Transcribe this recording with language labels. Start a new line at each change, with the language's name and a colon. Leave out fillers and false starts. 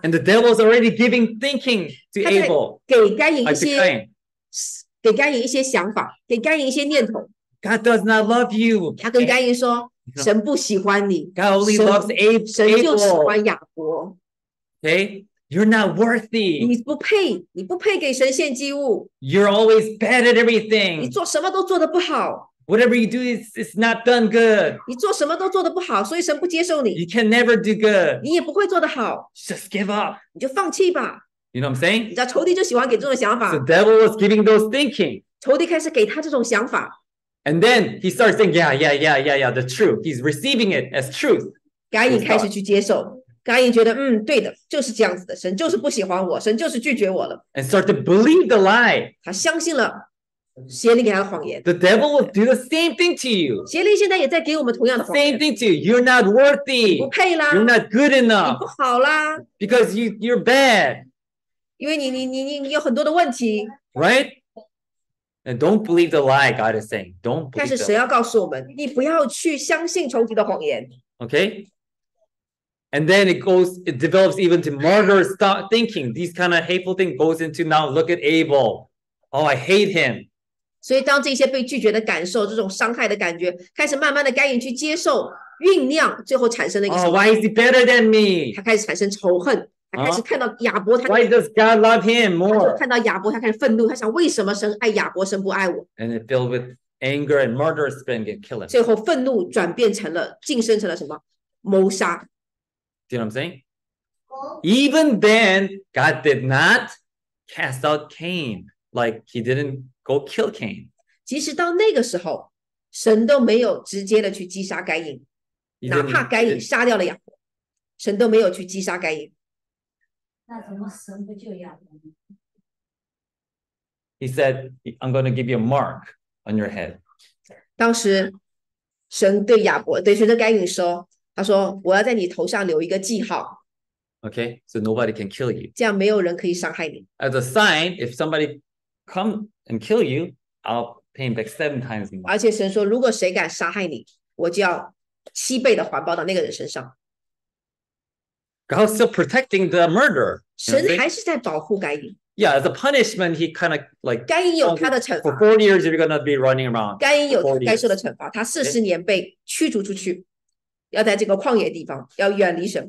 English: And the devil is already giving thinking to Abel.
Chinese: 给该隐一些给该隐一些想法，给该隐一些念头。
English: God does not love you。
Chinese: 他跟该隐说，神不喜欢你。
English: God only loves Abel。
Chinese: 神就喜欢亚伯。
English: Okay, you're not worthy。
Chinese: 你不配，你不配给神献祭物。
English: You're always bad at everything。
Chinese: 你做什么都做得不好。
English: Whatever you do is not done good.
Chinese: 你做什么都做得不好，所以神不接受你。
English: You can never do good.
Chinese: 你也不会做得好。
English: Just give up.
Chinese: 你就放弃吧。
English: You know what I'm saying?
Chinese: 你知道仇敌就喜欢给这种想法。
English: The devil was giving those thinking.
Chinese: 仇敌开始给他这种想法。
English: And then he starts saying, yeah, yeah, yeah, yeah, yeah, the truth. He's receiving it as truth.
Chinese: 该隐开始去接受。该隐觉得，嗯，对的，就是这样子的。神就是不喜欢我，神就是拒绝我了。
English: And start to believe the lie.
Chinese: 他相信了。邪灵给他的谎言。
English: The devil will do the same thing to you.
Chinese: 邪灵现在也在给我们同样的谎言。
English: Same thing to you. You're not worthy.
Chinese: 你不配啦。
English: You're not good enough.
Chinese: 你不好啦。
English: Because you're bad.
Chinese: 因为你有很多的问题。
English: Right? And don't believe the lie God is saying. Don't believe.
Chinese: 但是神要告诉我们，你不要去相信仇敌的谎言。
English: Okay. And then it develops even to murderous thought thinking. These kind of hateful thing goes into now. Look at Abel. Oh, I hate him.
Chinese: 所以当这些被拒绝的感受，这种伤害的感觉，开始慢慢的该隐去接受、酝酿，最后产生了一个什么、
English: oh, why is he better than me?
Chinese: 他开始产生仇恨，他开始看到亚伯他。
English: Why does God love him more?
Chinese: 他就看到亚伯，他开始愤怒，他想为什么神爱亚伯，神不爱我。
English: And it filled with anger and murderous spirit and killing.
Chinese: 最后愤怒转变成了，晋升成了什么？谋杀。
English: Do you know what I'm saying? Even then, God did not cast out Cain. Like he didn't. Go kill Cain.
Chinese: 其实到那个时候，神都没有直接的去击杀该隐，哪怕该隐杀掉了亚伯，神都没有去击杀该隐。那怎么神不救亚伯呢？
English: He said, "I'm going to give you a mark on your head."
Chinese: 当时，神对亚伯，对神对该隐说，他说：“我要在你头上留一个记号。”
English: Okay, so nobody can kill you.
Chinese: 这样没有人可以伤害你。
English: As a sign, if somebody come. And kill you, I'll pay him back 7 times more.
Chinese: 而且神说，如果谁敢杀害你，我就要7倍的还报到那个人身上。
English: God's still protecting the murderer.
Chinese: 神还是在保护该隐。
English: Yeah, as a punishment, he kind of like
Chinese: 该隐有他的惩罚。
English: For 40 years, you're gonna be running around.
Chinese: 该隐有该受的惩罚，他40年被驱逐出去，要在这个旷野地方，要远离神。